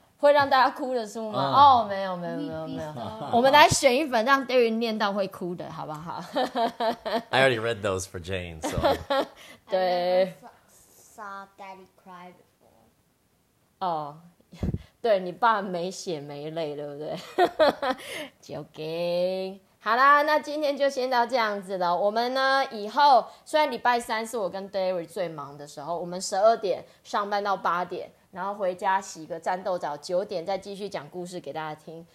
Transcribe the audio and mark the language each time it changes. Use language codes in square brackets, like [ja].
[zh] 会让大家哭的书吗？哦、oh. oh, ，没有没有没有没有，我们来选一本让 Derry 念到会哭的，好不好 [en] ？I already read those for Jane， so [zh] 对。 [en] saw Daddy cry before. [zh] Oh, 对你爸没血没泪，对不对？ [en] Joking。 [zh] 好啦，那今天就先到这样子了。我们呢，以后虽然礼拜三是我跟 David 最忙的时候，我们12点上班到8点，然后回家洗个战斗澡，9点再继续讲故事给大家听。